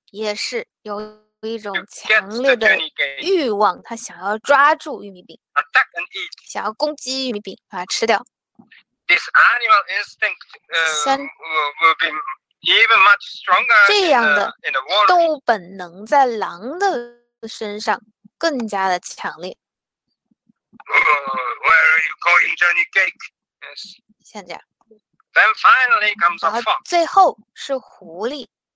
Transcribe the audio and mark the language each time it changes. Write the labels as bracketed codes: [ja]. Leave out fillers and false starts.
[zh] 也是有一种强烈的欲望他想要抓住玉米饼 [en] attack and eat. [zh] 想要攻击玉米饼把它吃掉 [en] this animal instinct, will be even much stronger [zh] 这样的动物本能在狼的身上更加的强烈 [en] Where are you going, Johnny Cake? Yes. [zh] 像这样。 [en] Then finally comes a fox. [zh] 最后是狐狸。